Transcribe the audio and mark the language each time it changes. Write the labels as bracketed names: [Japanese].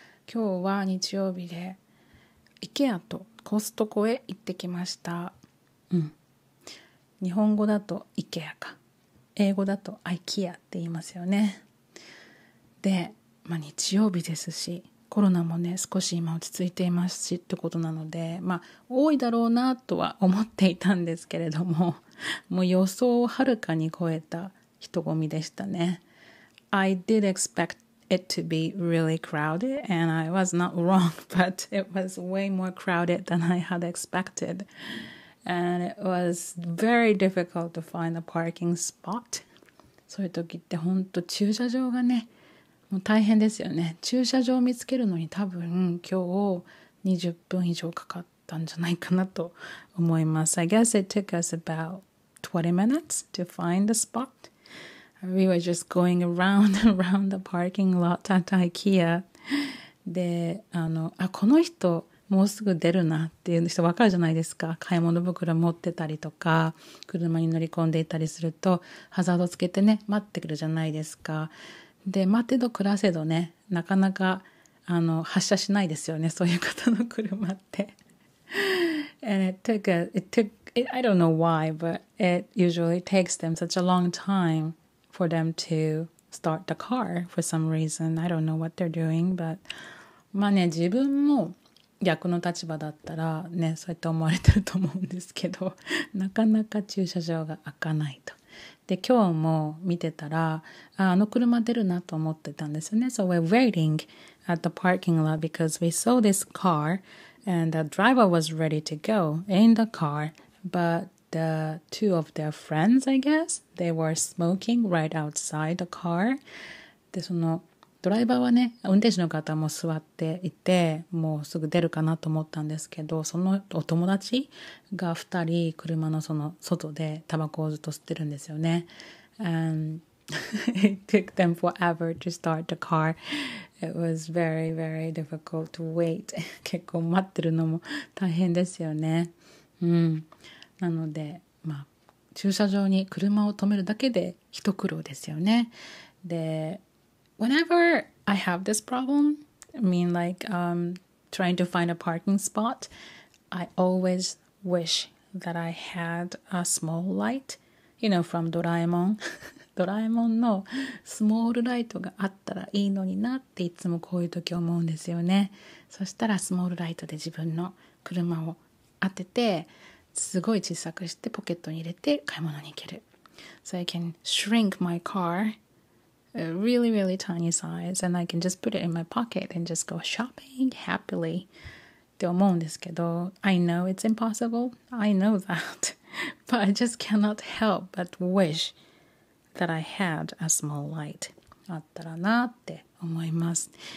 [Japanese] 今日は日曜日で、IKEA とコストコへ行ってきました。うん。日本語だと IKEA か、英語だと IKEA って言いますよね。で、まあ、日曜日ですし、コロナもね、少し今落ち着いていますしってことなので、まあ多いだろうなとは思っていたんですけれども、もう予想をはるかに超えた人混みでしたね。 [English] I did expect it to be really crowded and I was not wrong, but it was way more crowded than I had expected. And it was very difficult to find a parking spot. [Japanese] そういう時って本当駐車場がね、もう大変ですよね。駐車場を見つけるのに多分今日20分以上かかったんじゃないかなと思います。 [English] I guess it took us about 20 minutes to find the spot. We were just going around and around the parking lot at IKEA. [Japanese] で、この人もうすぐ出るなっていう人わかるじゃないですか。買い物袋持ってたりとか、車に乗り込んでいたりするとハザードつけてね、待ってくるじゃないですか。で、待てど暮らせどね、なかなか発車しないですよね、そういう方の車って。 [English] And it took I don't know why, but it usually takes them such a long time for them to start the car for some reason. I don't know what they're doing, but [Japanese] まあね、自分も逆の立場だったらね、そうやって思われてると思うんですけど、なかなか駐車場が開かないと。で、今日も見てたら、車出るなと思ってたんですよね。 [English] So we're waiting at the parking lot because we saw this car and the driver was ready to go in the car. But the two of their friends, I guess, they were smoking right outside the car. [Japanese] で、そのドライバーはね、運転手の方も座っていて、もうすぐ出るかなと思ったんですけど、そのお友達が2人車のその外でタバコをずっと吸ってるんですよね。 [English] It took them forever to start the car. It was very, very difficult to wait. [Japanese] 結構待ってるのも大変ですよね。なので、まあ、駐車場に車を止めるだけで一苦労ですよね。で、 [English] Whenever I have this problem, I mean, like, trying to find a parking spot, I always wish that I had a small light, you know, from Doraemon. [Japanese] Doraemon のスモールライトがあったらいいのになっていつもこういう時思うんですよね。そしたらスモールライトで自分の車を当てて、すごい小さくしてポケットに入れて買い物に行ける。 [English] So I can shrink my car a really, really tiny size and I can just put it in my pocket and just go shopping happily [Japanese] って思うんですけど、 [English] I know it's impossible, I know that, but I just cannot help but wish that I had a small light [Japanese] あったらなって思います。